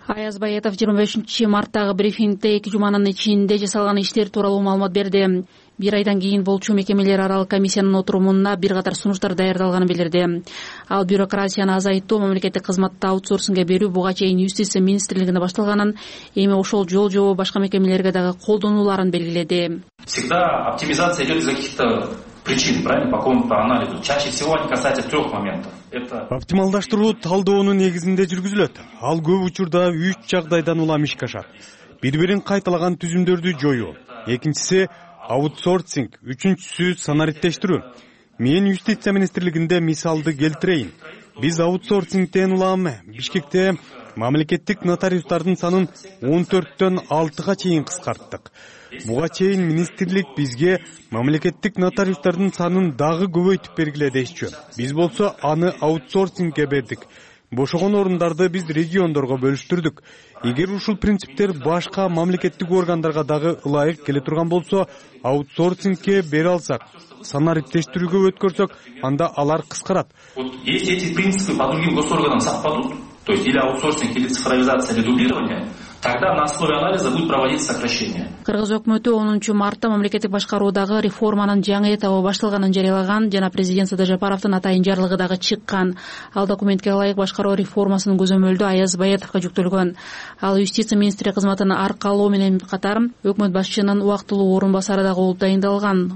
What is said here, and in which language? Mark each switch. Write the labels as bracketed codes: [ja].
[ky] Аяз Байетов 25 марттагы брифингде 2 жуманын ичинде жасалган иштер тууралуу маалымат берди. Бир айдан кийин болчу мекемелер аралык комиссиянын отурумуна бир катар сунуштар даярдалганын билдирди. Ал бюрократияны азайтуу, мамлекеттик кызматты аутсорсинге берүү буга чейин юстиция министрлигинде башталганын, эми ошол жол жобо башка мекемелерге дагы колдонууларын белгиледи. [ru] Всегда оптимизация идет из-за каких-то причин, правильно, по какому-то анализу. Чаще всего они касаются трех моментов. [ky] Оптималдаштыруу талдоонун негизинде жүргүзүлөт. Ал көп учурда 3 жагдайдан улам иш кашат. Бири-бирин кайталаган түзүмдөрдү жоюу. Экинчиси аутсорсинг, үчүнчүсү санариттештирүү. Мен юстиция министрлигинде мисалды келтирейин. Биз аутсорсингден улам Бишкекте мамлекеттик нотариустардын санын 14-төн 6га чейин кыскарттык. Буга чейин министрлик бизге мамлекеттик нотариустардын санын дагы көбөйтүп бергиле дешчү. Биз болсо аны аутсорсингге бердик. Бошогон орундарды биз региондорго бөлүштүрдүк. Эгер ушул принциптер башка мамлекеттик органдарга дагы ылайык келе турган болсо, аутсорсингге бере алсак, санариптештирүүгө өткөрсөк, анда алар кыскарат. [ru] Вот есть эти принципы по другим госорганам совпадут, то есть или аутсорсинг, или цифровизация, или дублирование, тогда на основе анализа будет проводиться сокращение. [ky] Кыргыз өкмөтү 10 мартта мамлекеттик башкаруудагы реформанын жаңы этабы башталганын жарыялаган жана президент Садыр Жапаровдун атайын жарлыгы дагы чыккан. Ал документке ылайык башкаруу реформасынын көзөмөлдөө Аяз Байетовго жүктөлгөн. Ал юстиция министри кызматын аркалоо менен катар өкмөт башчынын убактылуу орун басары дагы болуп дайындалган.